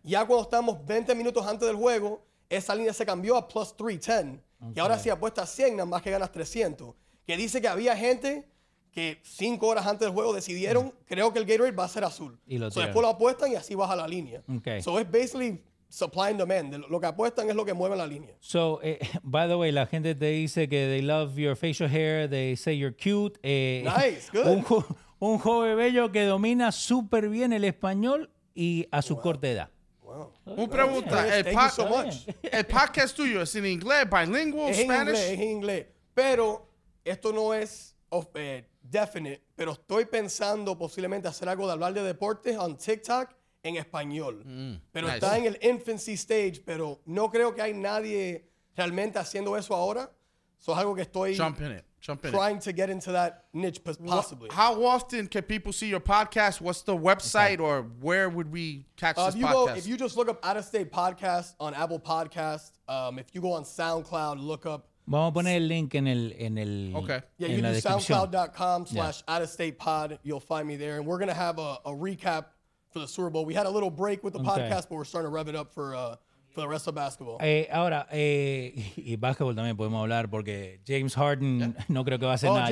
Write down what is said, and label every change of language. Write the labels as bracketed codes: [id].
[es] Ya cuando estamos 20 minutos antes del juego, esa línea se cambió a +310. Okay. Y ahora si apuestas 100, nada más que ganas 300. Que dice que había gente que 5 horas antes del juego decidieron, mm-hmm. creo que el Gatorade va a ser azul. Y lo so después lo apuestan y así baja la línea. [en] Okay. So es basically supply and demand. [es] Lo que apuestan es lo que mueve la línea. [en] So, by the way, [es] la gente te dice que [en] they love your facial hair, they say you're cute. Nice, good. [es] Un joven bello que domina súper bien el español. Y a su wow. corta edad. Wow. Una pregunta. El podcast tuyo es en inglés, bilingual, es [en] Spanish. [es] Es en inglés. Pero esto no es definite. Pero estoy pensando posiblemente hacer algo de hablar de deportes en TikTok en español. Pero nice. Está en el infancy stage. Pero no creo que hay nadie realmente haciendo eso ahora. Eso es algo que estoy [en] trying to get into that niche, possibly. How often can people see your podcast? What's the website or where would we catch this you podcast? If you just look up Out of State Podcast on Apple Podcast, if you go on SoundCloud, look up. [es] Vamos a poner el link en el. [en] Okay. Yeah, you can do soundcloud.com/ Out of State Pod. You'll find me there. And we're going to have a recap for the Super Bowl. We had a little break with the podcast, but we're starting to rev it up for the rest of basketball. [es] Ahora, y basketball también podemos hablar porque James Harden no creo que va a hacer nada